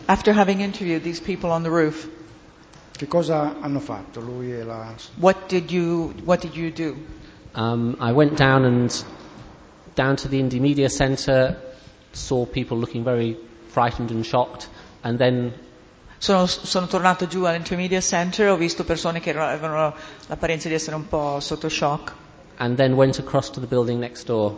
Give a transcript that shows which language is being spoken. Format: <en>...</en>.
<en>After having interviewed these people on the roof.</en> <it>Che cosa hanno fatto lui e la...</it> <en>What did you do? I went down to the Indy Media Center, saw people looking very frightened and shocked, and then</en> <it>sono tornato giù all'Intermedia Center, ho visto persone che avevano l'apparenza di essere un po' sotto shock.</it> <en>And then went across to the building next door.</en>